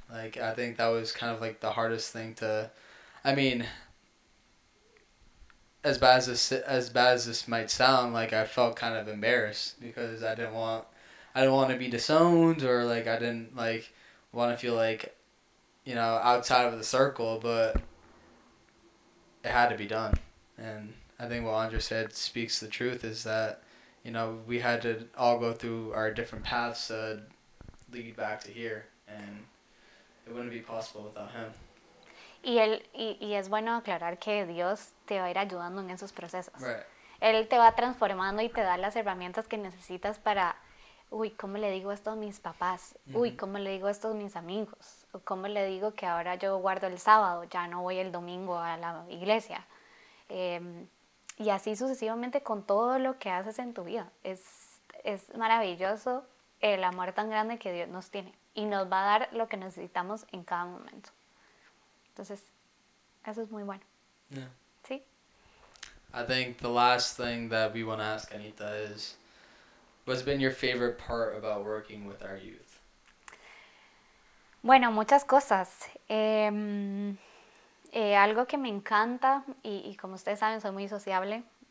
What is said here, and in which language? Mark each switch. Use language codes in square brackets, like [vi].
[en] Like, I think that was kind of, like, the hardest thing to, I mean, as bad as this might sound, like, I felt kind of embarrassed, because I didn't want to be disowned, or, like, I didn't, like, want to feel, like, you know, outside of the circle, but it had to be done. And I think what Andre said speaks the truth, is that, you know, we had to all go through our different paths to lead back to here, and it wouldn't be possible without him. [es] Y es bueno aclarar que Dios te va a ir ayudando en esos procesos. Right. Él te va transformando y te da las herramientas que necesitas para, uy, ¿cómo le digo esto a mis papás? Uy, ¿cómo le digo esto a mis amigos? ¿Cómo le digo que ahora yo guardo el sábado, ya no voy el domingo a la iglesia? Y así sucesivamente con todo lo que haces en tu vida. Es maravilloso el amor tan grande que Dios nos tiene y nos va a dar lo que necesitamos en cada momento. Entonces, eso es muy bueno. Yeah. ¿Sí? [en] I think the last thing that we want to ask Anita is, what's been your favorite part about working with our youth? [es] Bueno, muchas cosas. Algo que me encanta, y como ustedes saben, soy muy sociable.